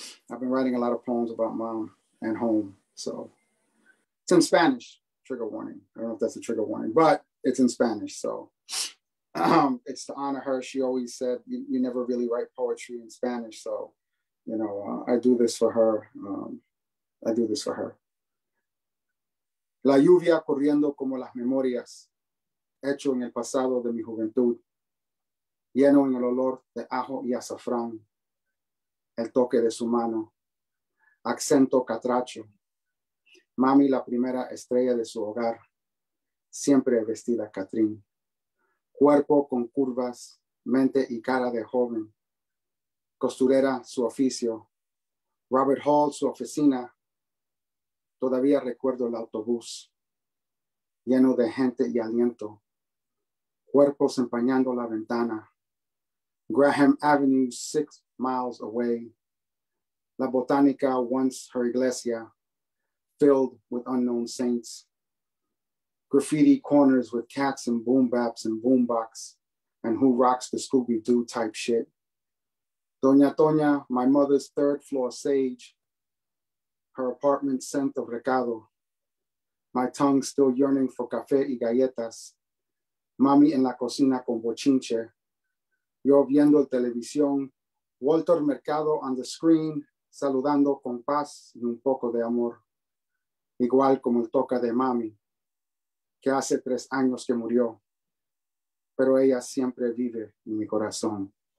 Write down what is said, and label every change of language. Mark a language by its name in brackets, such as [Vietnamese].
[English] I've been writing a lot of poems about mom and home. So it's in Spanish. Trigger warning. I don't know if that's a trigger warning, but it's in Spanish, so. It's to honor her. She always said you never really write poetry in Spanish, so you know, I do this for her. [Spanish] La lluvia corriendo como las memorias hecho en el pasado de mi juventud, lleno en el olor de ajo y azafrán, el toque de su mano, acento catracho, mami la primera estrella de su hogar, siempre vestida catrín. Cuerpo con curvas, mente y cara de joven. Costurera, su oficio. Robert Hall, su oficina. Todavía recuerdo el autobús. Lleno de gente y aliento. Cuerpos empañando la ventana. Graham Avenue, [English] 6 miles away. [Spanish] La botánica, [English] once her iglesia. Filled with unknown saints. Graffiti corners with cats and boom baps and boombox, and who rocks the Scooby-Doo type shit. [Spanish] Doña Toña, [English] my mother's third floor sage, her apartment scent of recado, my tongue still yearning for [Spanish] café y galletas, mami en la cocina con bochinche, yo viendo el televisión, Walter Mercado [English] on the screen, [Spanish] saludando con paz y un poco de amor, igual como el toca de mami, que hace 3 años que murió, pero ella siempre vive en mi corazón.